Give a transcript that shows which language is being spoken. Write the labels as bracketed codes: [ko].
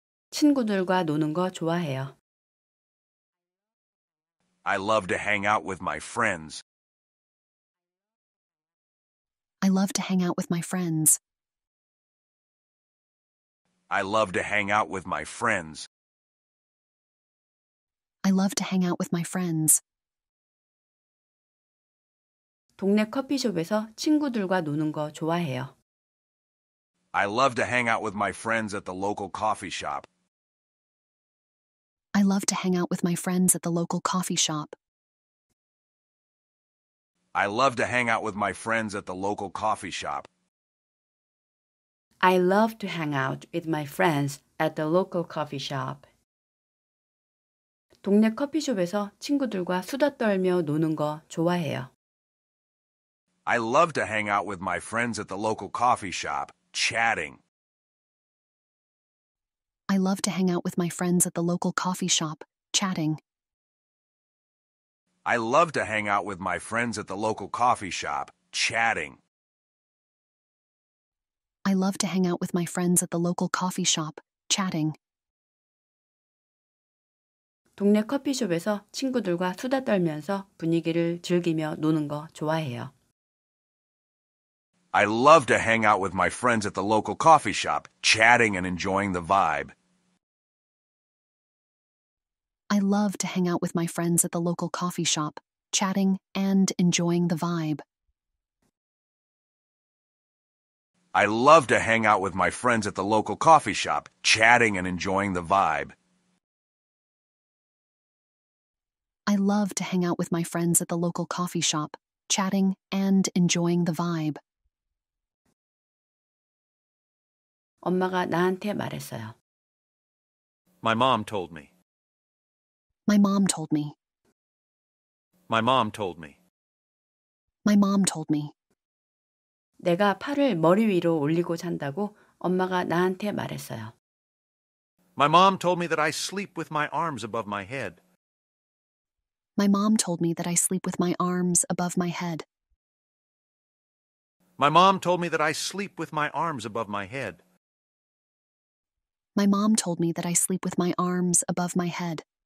[ko] 친구들과 노는 거 좋아해요. [en] I love to hang out with my friends. I love to hang out with my friends. I love to hang out with my friends. I love to hang out with my friends. [ko] 동네 커피숍에서 친구들과 노는 거 좋아해요. [en] I love to hang out with my friends at the local coffee shop. I love to hang out with my friends at the local coffee shop. I love to hang out with my friends at the local coffee shop. I love to hang out with my friends at the local coffee shop. [ko] 동네 커피숍에서 친구들과 수다 떨며 노는 거 좋아해요. [en] I love to hang out with my friends at the local coffee shop, chatting. I love to hang out with my friends at the local coffee shop, chatting. I love to hang out with my friends at the local coffee shop, chatting. I love to hang out with my friends at the local coffee shop, chatting. [ko] 동네 커피숍에서 친구들과 수다 떨면서 분위기를 즐기며 노는 거 좋아해요. [en] I love to hang out with my friends at the local coffee shop, chatting and enjoying the vibe. I love to hang out with my friends at the local coffee shop, chatting and enjoying the vibe. I love to hang out with my friends at the local coffee shop, chatting and enjoying the vibe. I love to hang out with my friends at the local coffee shop, chatting and enjoying the vibe. [ko] 엄마가 나한테 말했어요. [en] My mom told me. My mom told me. My mom told me. My mom told me. [ko] 내가 팔을 머리 위로 올리고 잔다고 엄마가 나한테 말했어요. [en] My mom told me that I sleep with my arms above my head. My mom told me that I sleep with my arms above my head. My mom told me that I sleep with my arms above my head. My mom told me that I sleep with my arms above my head.